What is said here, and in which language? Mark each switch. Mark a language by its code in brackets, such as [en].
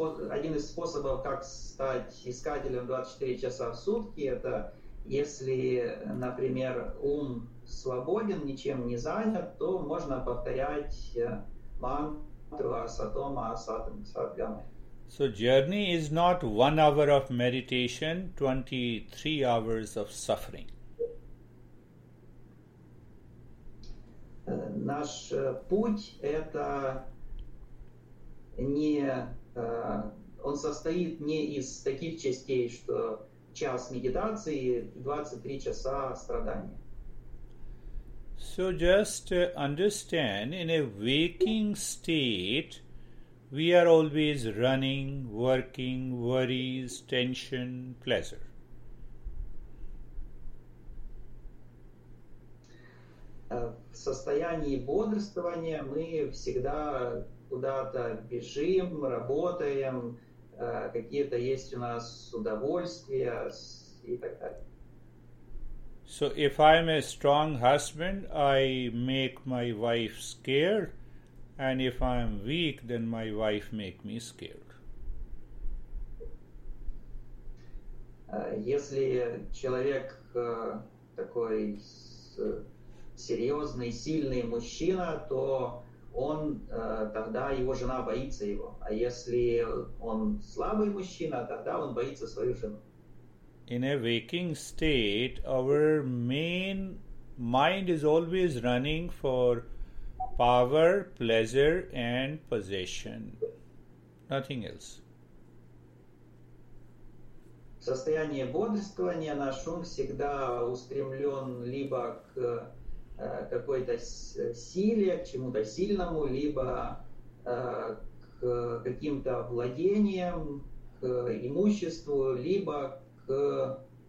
[ru] Один из способов, как стать искателем 24 часа в сутки, это если, например, ум свободен, ничем не занят, то можно повторять мантру Асатома Асатгамая. [en] So journey is not 1 hour of meditation, 23 hours of suffering. [ru] Наш путь это не, он состоит не из таких частей, что час медитации, 23 часа страдания. [en] So just understand, in a waking state, we are always running, working, worries, tension, pleasure. [ru] В состоянии бодрствования мы всегда куда-то бежим, работаем, какие-то есть у нас удовольствия и так далее. [en] So if I'm a strong husband, I make my wife scared, and if I'm weak, then my wife make me scared. [ru] Если человек такой серьезный, сильный мужчина, то он тогда его жена боится его. А если он слабый мужчина, тогда он боится свою жену. [en] In a waking state, our main mind is always running for power, pleasure, and possession. Nothing else. [ru] В состоянии бодрствования наш ум всегда устремлен либо к какой-то силе, к чему-то сильному, либо к каким-то владениям, к имуществу, либо к